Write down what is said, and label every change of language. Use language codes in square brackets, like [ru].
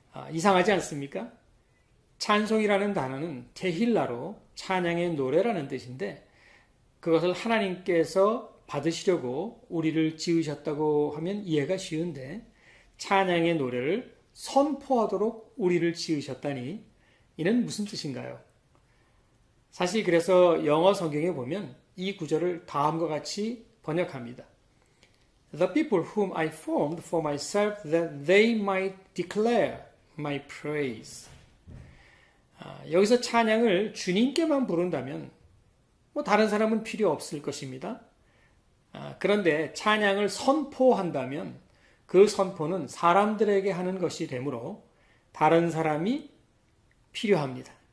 [ko] 이상하지 않습니까? 찬송이라는 단어는 테힐라로 찬양의 노래라는 뜻인데 그것을 하나님께서 받으시려고 우리를 지으셨다고 하면 이해가 쉬운데 찬양의 노래를 선포하도록 우리를 지으셨다니 이는 무슨 뜻인가요? 사실 그래서 영어 성경에 보면 이 구절을 다음과 같이 번역합니다. [en] The people whom I formed for myself that they might declare my praise. [ko] 여기서 찬양을 주님께만 부른다면 뭐 다른 사람은 필요 없을 것입니다. 그런데 찬양을 선포한다면 그 선포는 사람들에게 하는 것이 되므로 다른 사람이 필요합니다.